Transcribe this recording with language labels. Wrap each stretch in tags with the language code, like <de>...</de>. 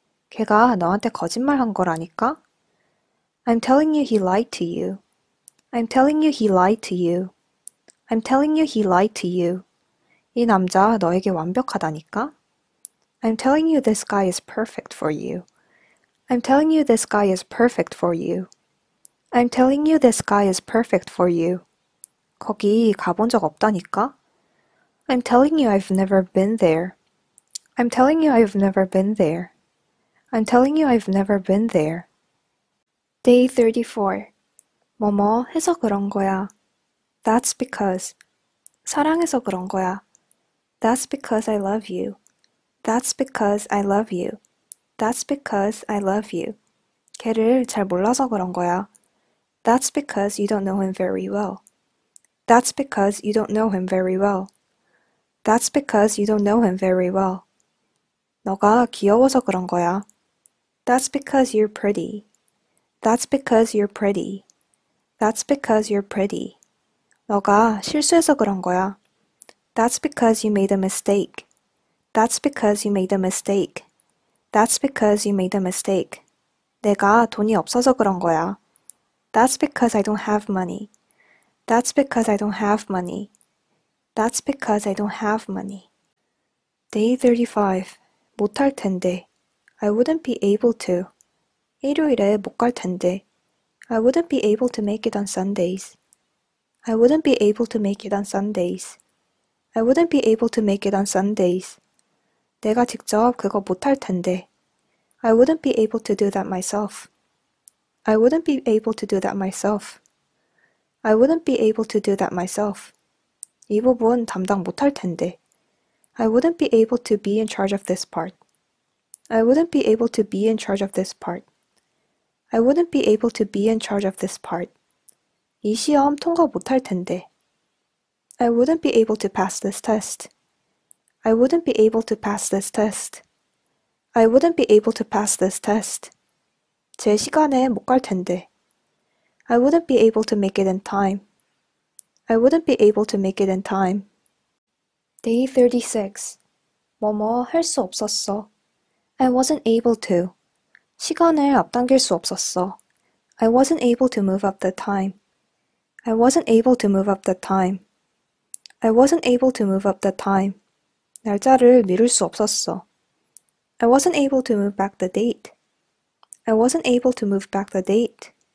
<ko>걔가 너한테 거짓말한 거라니까?</ko> <en>I'm telling you he lied to you. I'm telling you he lied to you. I'm telling you he lied to you.</en> <ko>이 남자 너에게 완벽하다니까?</ko> <en>I'm telling you this guy is perfect for you. I'm telling you this guy is perfect for you. I'm telling you this guy is perfect for you.</en> <ko>거기 가본 적 없다니까?</ko> <en>I'm telling you I've never been there. I'm telling you I've never been there. I'm telling you I've never been there. Day 34.</en> <ko>뭐뭐 해서 그런 거야.</ko> <en>That's because.</en> <ko>사랑해서 그런 거야.</ko> <en>That's because I love you. That's because I love you. That's because I love you.</en> <ko>걔를 잘 몰라서 그런 거야.</ko> <en>That's because you don't know him very well. That's because you don't know him very well. That's because you don't know him very well.</en> <ko>너가 귀여워서 그런 거야.</ko> <en>That's because you're pretty. That's because you're pretty. That's because you're pretty.</en> <ko>너가 실수해서 그런 거야.</ko> <en>That's because you made a mistake. That's because you made a mistake. That's because you made a mistake.</en> <ko>내가 돈이 없어서 그런 거야.</ko> <en>That's because I don't have money. That's because I don't have money. That's because I don't have money. Day 35.</en> <ko>못할 텐데.</ko> <en>I wouldn't be able to.</en> <ko>일요일에 못갈 텐데.</ko> <en>I wouldn't be able to make it on Sundays. I wouldn't be able to make it on Sundays. I wouldn't be able to make it on Sundays.</en> <ko>내가 직접 그거 못할 텐데.</ko> <en>I wouldn't be able to do that myself. I wouldn't be able to do that myself. I wouldn't be able to do that myself.</en> <ko>이 부분 담당 못할 텐데.</ko> <en>I wouldn't be able to be in charge of this part. I wouldn't be able to be in charge of this part. I wouldn't be able to be in charge of this part.</en> <ko>이 시험 통과 못할 텐데.</ko> <en>I wouldn't be able to pass this test. I wouldn't be able to pass this test. I wouldn't be able to pass this test.</en> <ko>제 시간에 못갈 텐데.</ko> <en>I wouldn't be able to make it in time. I wouldn't be able to make it in time. Day 36.</en> <ko>뭐뭐 할수 없었어.</ko> <en>I wasn't able to.</en> <ko>시간을 앞당길 수 없었어.</ko> <en>I wasn't able to move up the time. I wasn't able to move up the time. I wasn't able to move up the time.</en> <ko>날짜를 미룰 수 없었어.</ko> <en>I wasn't able to move back the date. I wasn't able to move back the date.</en>